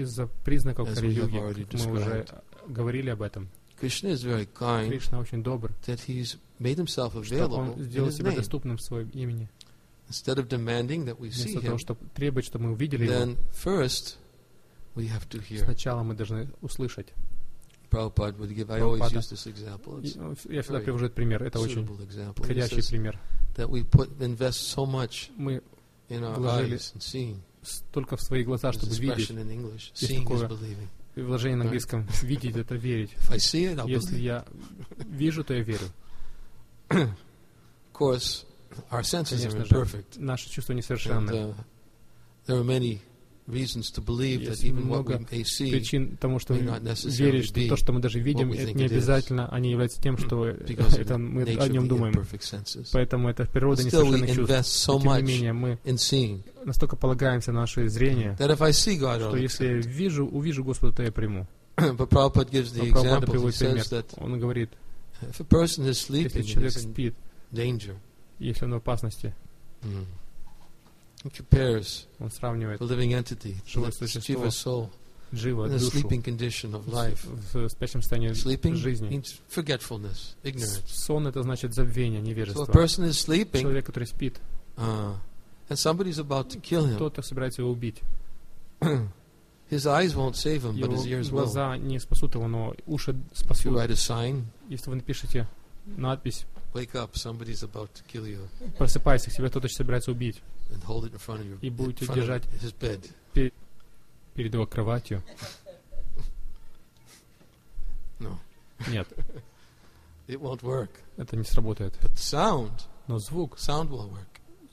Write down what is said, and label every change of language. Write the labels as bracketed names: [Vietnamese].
[Russian] из-за признаков Кали-юги, мы уже говорили об этом. [English] Krishna is very kind, [Russian] Кришна очень добр, [English] that he's made himself available, [Russian] что Он сделал себя доступным в Своем имени. [English] Instead of demanding that we see [Russian] вместо того, чтобы требовать, чтобы мы увидели [English] then [Russian] Его, [English] first we have to hear. [Russian] Сначала мы должны услышать. [English] Prabhupada would give, I always use this example. [Russian] Я всегда привожу этот пример. Это очень подходящий пример. [English] That we put, invest so much [Russian] мы [English] in our eyes and seeing. [Russian] Столько в свои глаза, чтобы видеть. [English] In English, seeing is believing. [Russian] Вложение на английском видеть это верить. [English] If I see it, I'll [Russian] если [English] believe. [Russian] Я вижу, то я верю. [English] Of course, our senses [Russian] конечно [English] are imperfect. [Russian] Наши чувства несовершенны. [English] There are many reasons to believe that even [Russian] много [English] what we may see [Russian] причин тому, что [English] may not necessarily [Russian] верить, что то, что мы даже видим, это не обязательно, они являются тем, что это мы о нем думаем. Поэтому это природа несовершенных чувств. [English] But still, we invest so much [Russian] мы [English] in seeing. [Russian] Настолько полагаемся на наше зрение, [English] that if I see God, [Russian] что если я вижу, увижу Господа, то я приму. [English] But Prabhupada gives the example. He says that [Russian] он говорит, [English] if a person is sleeping, [Russian] если человек спит, [English] danger. [Russian] Если он в опасности. [English] Mm. He compares [Russian] он сравнивает [English] the living entity, [Russian] живое существо, [English] jiva soul, [Sanskrit] jiva, [English] in a sleeping condition of life. [Russian] В спящем состоянии [English] sleeping [Russian] жизни. [English] Means forgetfulness, ignorance. [Russian] Сон это значит забвение, невежество. [English] So a person is sleeping, [Russian] человек, который спит, [English] and somebody is about to kill him. [Russian] Кто-то собирается его убить. [English] His eyes won't save him, but his ears will. [Russian] Глаза не спасут его, но уши спасут. [English] If you write a sign, [Russian] если вы напишете надпись, [English] wake up, somebody is about to kill you. [Russian] Просыпайся, к тебе кто-то собирается убить. [English] And hold it in front of your, [Russian] и будете держать [English] his bed. [Russian] Перед его кроватью. [English] No. [Russian] Нет. [English] It won't work. [Russian] Это не сработает. [English] But sound, [Russian] но звук. [English] Sound will work.